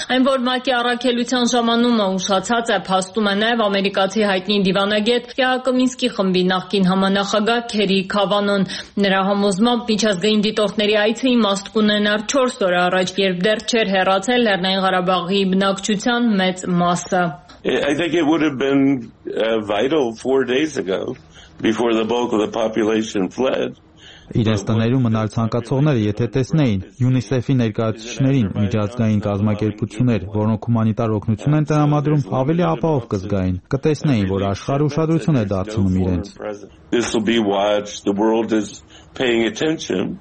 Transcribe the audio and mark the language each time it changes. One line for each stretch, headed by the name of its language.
Armenian: այն որ ՄԱԿ-ի առաքելության ժամանումը ուշացած է, փաստում է նաև ամերիկացի հայտնի դիվանագետ Յակոմինսկի խմբի նախկին համանախագահ Քերի Քավանոն։ Նրա համոզմամբ միջազգային դիտորդների այցը իմաստ կունենար 4 օր առաջ, երբ դեռ չէր հեռացել Լեռնային Ղարաբաղի բնակչության մեծ մասը։
English: I think it would have been vital 4 days ago before the bulk of the population fled.
Armenian: Իրենց տներում մնալ ցանկացողները, եթե տեսնեին ՅՈՒՆԻՍԵՖ-ի ներկայացուցիչներին, միջազգային կազմակերպություններ, որոնք հումանիտար օգնություն են տրամադրում, ավելի ապահով կզգային, կտեսնեին, որ աշխարհը ուշադրություն է դարձնում իրենց։
English: Paying attention.